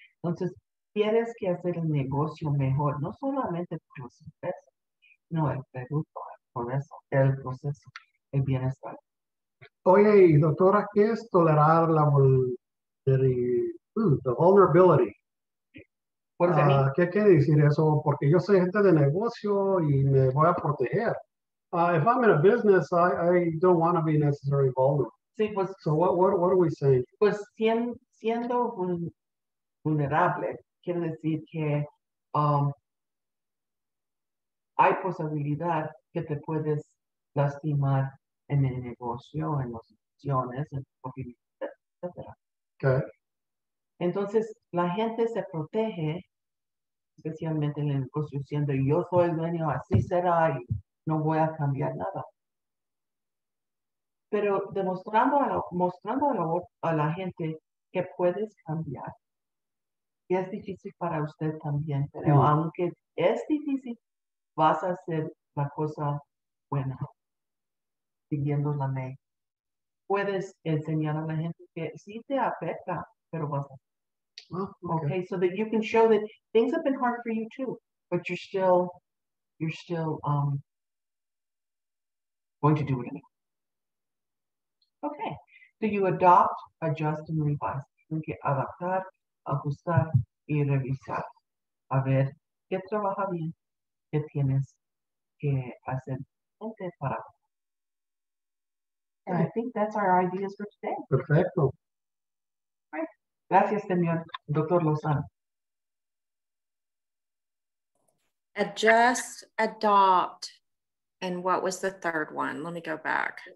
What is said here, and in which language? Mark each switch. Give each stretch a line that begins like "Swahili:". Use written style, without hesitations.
Spanish: Entonces, tienes que hacer el negocio mejor, no solamente por los ingresos, sino el producto, el progreso, el proceso, el bienestar. Oye, doctora, ¿qué es tolerar la vulnerability? ¿Qué quiere decir eso? Porque yo soy gente de negocio y me voy a proteger.
English: If I'm in a business, I don't want to be necessarily vulnerable.
Spanish: Sí, pues,
English: so what are we saying?
Spanish: Pues siendo vulnerable quiere decir que hay posibilidad que te puedes lastimar en el negocio, en las opciones, etc.
English: Okay.
Spanish: Entonces la gente se protege, especialmente en el negocio, siendo yo soy el dueño, así será y no voy a cambiar nada. pero demostrando a, mostrando a la gente que puedes cambiar. Y es difícil para usted también, pero aunque es difícil, vas a hacer la cosa buena, siguiendo la ley. Puedes enseñar a la gente que sí te afecta, pero vas a hacer.
English: Okay, so that you can show that things have been hard for you too, but you're still going to do it anyway. Okay, so you adopt, adjust, and revise.
Spanish: Tienes que adaptar, ajustar y revisar. A ver qué trabaja bien, qué tienes que hacer antes para.
English: And I think that's our ideas for today.
Spanish: Perfecto. Gracias, señor doctor Lozano.
English: Adjust, adopt, and what was the third one? Let me go back.